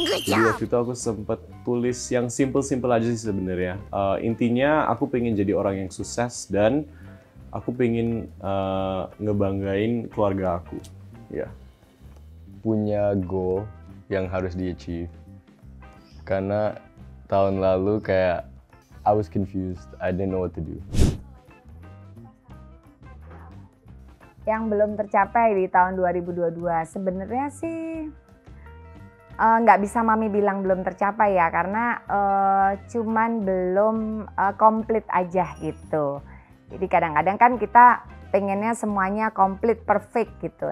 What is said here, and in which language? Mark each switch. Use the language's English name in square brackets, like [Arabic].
[Indonesian] Jadi waktu itu aku sempat tulis yang simple-simple aja sih sebenarnya. Intinya aku pengen jadi orang yang sukses dan aku pengen ngebanggain keluarga aku. Ya. Yeah. Punya goal yang harus di-achieve. Karena tahun lalu kayak [English] I was confused, I didn't know what to do. [Indonesian] Yang belum tercapai di tahun 2022 sebenarnya sih enggak bisa mami bilang belum tercapai ya karena cuman belum komplit aja gitu. Jadi kadang-kadang kan kita pengennya semuanya komplit, perfect gitu.